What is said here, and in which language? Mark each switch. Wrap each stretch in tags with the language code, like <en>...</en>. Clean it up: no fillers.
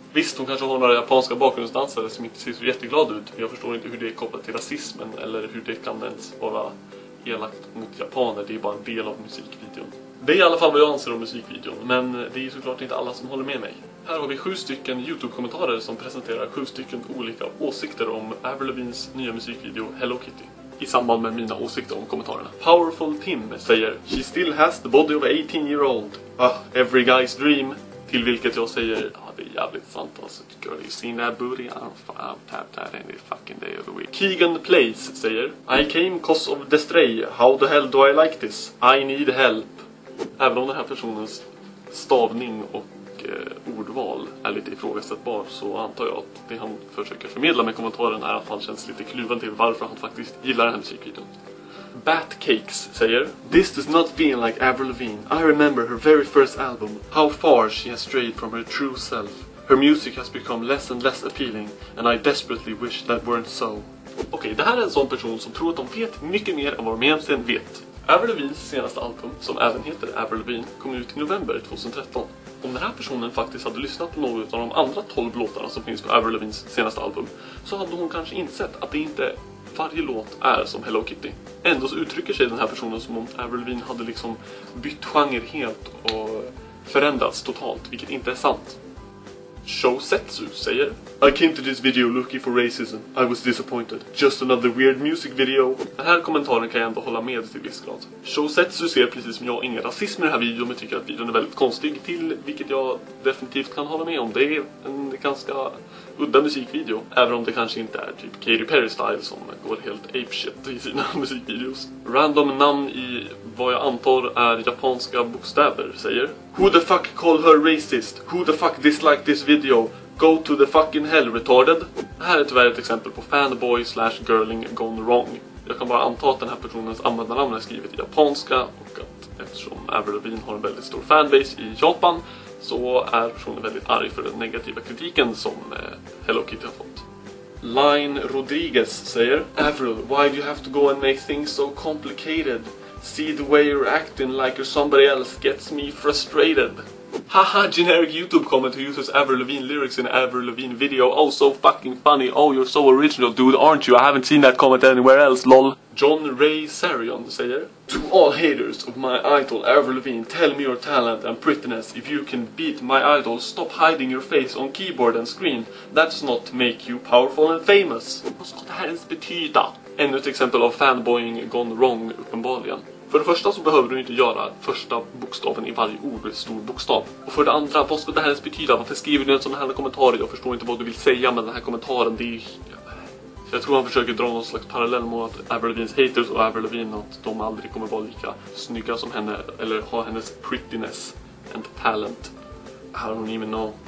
<sv>Visst, hon kanske har några japanska bakgrundsdansare som inte ser så jätteglad ut, men jag förstår inte hur det är kopplat till rasismen eller hur det kan ens vara elakt mot japaner. Det är bara en del av musikvideon. Det är i alla fall vad jag anser om musikvideon, men det är såklart inte alla som håller med mig. Här har vi 7 stycken YouTube-kommentarer som presenterar 7 stycken olika åsikter om Avril Lavignes nya musikvideo Hello Kitty. I samband med mina åsikter om kommentarerna.</sv> <en>Powerful Tim</en> <sv>säger:</sv> <en>"She still has the body of 18-year-old. Every guy's dream."</en> <sv>Till vilket jag säger: "Ja, det är jävligt fantastiskt.</sv> <en>Girl, you seen that booty? I've tapped that any fucking day of the week." Keegan Place</en> <sv>säger:</sv> <en>"I came cause of the stray. How the hell do I like this? I need help."</en> <sv>Även om den här personens stavning och ordval är lite ifrågasättbar, så antar jag att det han försöker förmedla med kommentaren är att han känns lite kluven till varför han faktiskt gillar den här musikvideon.</sv> <en>Batcakes</en> <sv>säger:</sv> <en>"This does not feel like Avril Lavigne. I remember her very first album. How far she has strayed from her true self. Her music has become less and less appealing, and I desperately wish that weren't so."</en> <sv>Okej, det här är en sån person som tror att de vet mycket mer än vad de egentligen vet. Avril Lavignes senaste album, som även heter Avril Lavigne, kom ut i november 2013. Om den här personen faktiskt hade lyssnat på något av de andra 12 låtarna som finns på Avril Lavignes senaste album, så hade hon kanske insett att det inte varje låt är som Hello Kitty. Ändå så uttrycker sig den här personen som om Avril Lavigne hade liksom bytt genre helt och förändrats totalt, vilket inte är sant.</sv> <en>Showsetsu</en> <sv>säger:</sv> <en>"I came to this video looking for racism. I was disappointed. Just another weird music video."</en> <sv>Den här kommentaren kan jag ändå hålla med till viss grad. Showsetsu ser precis som jag ingen rasism i den här videon, men tycker att videon är väldigt konstig, till vilket jag definitivt kan hålla med om. Det är en ganska udda musikvideo, även om det kanske inte är typ Katy Perry style som går helt apeshit i sina musikvideos. Random namn i vad jag antar är japanska bokstäver säger:</sv> <en>"Who the fuck call her racist? Who the fuck dislike this video? Go to the fucking hell, retarded."</en> <sv>Det här är tyvärr ett exempel på</sv> <en>fanboy slash girling gone wrong.</en> <sv>Jag kan bara anta att den här personens användarnamn är skrivet i japanska, och att eftersom Avril Lavigne har en väldigt stor fanbase i Japan, så är personen väldigt arg för den negativa kritiken som Hello Kitty har fått.</sv> <en>Line Rodriguez</en> <sv>säger:</sv> <en>"Avril, why do you have to go and make things so complicated? See the way you're acting like you're somebody else gets me frustrated." Haha, generic YouTube comment who uses Avril Lavigne lyrics in Avril Lavigne video. Oh, so fucking funny. Oh, you're so original, dude, aren't you? I haven't seen that comment anywhere else, lol. John Ray Sarion</en> <sv>säger:</sv> <en>"To all haters of my idol Avril Lavigne, tell me your talent and prettiness. If you can beat my idol, stop hiding your face on keyboard and screen. That's not make you powerful and famous."</en> <sv>Vad ska det här ens betyda? Ännu ett exempel av</sv> <en>fanboying gone wrong,</en> <sv>uppenbarligen. För det första så behöver du inte göra första bokstaven i varje ord stor bokstav. Och för det andra, vad ska det här ens betyda? Varför skriver du en sån här kommentar? Jag förstår inte vad du vill säga med den här kommentaren. Det är... jag tror han försöker dra någon slags parallell mot att Avril Lavignes haters och Avril Lavigne, att de aldrig kommer vara lika snygga som henne eller ha hennes</sv> <en>prettiness and talent. I don't even know.</en>